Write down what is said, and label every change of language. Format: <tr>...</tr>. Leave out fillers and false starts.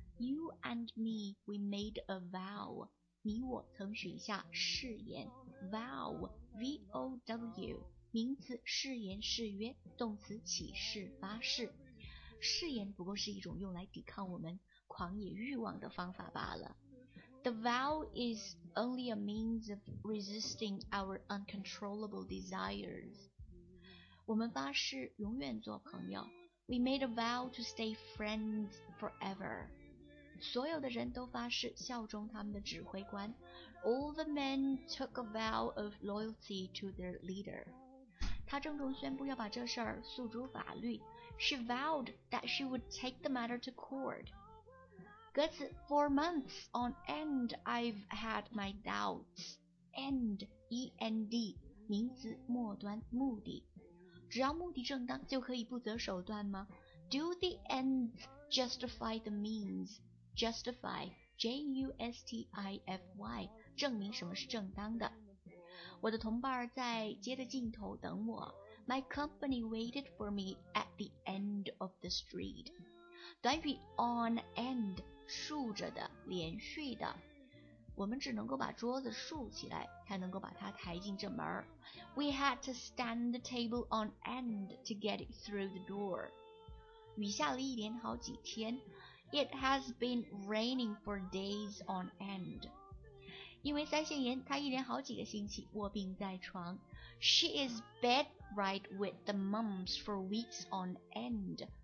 <en>You and me, we made a vow.</en> <zh>你我曾许下誓言。 Vow, V-O-W, 名词誓言誓约，动词起誓发誓。誓言不过是一种用来抵抗我们狂野欲望的方法罢了。</zh> <en>The vow is only a means of resisting our uncontrollable desires.</en> <zh>我们发誓永远做朋友。</zh> <en>We made a vow to stay friends forever.</en> <zh>所有的人都发誓效忠他们的指挥官。</zh> <en>All the men took a vow of loyalty to their leader.</en> <zh>他郑重宣布要把这事儿诉诸法律。</zh> <en>She vowed that she would take the matter to court. 歌词 For months on end, I've had my doubts.</en> <zh>End, E-N-D, 名词末端目的。只要目的正当就可以不择手段吗</zh> <en>Do the ends justify the means?</en> <zh>Justify, J-U-S-T-I-F-Y, 证明什么是正当的。我的同伴在街的尽头等我。</zh> <en>My company waited for me at the end of the street.</en> <zh>短语 on end, 竖着的连续的。我们只能够把桌子竖起来才能够把它抬进这门。</zh> <en>We had to stand the table on end to get it through the door.</en> <zh>雨下了一连好几天。</zh> <en>It has been raining for days on end.</en> <zh>因为腮腺炎她一连好几个星期卧病在床。</zh> <en>She is bedrid with the mumps for weeks on end.</en>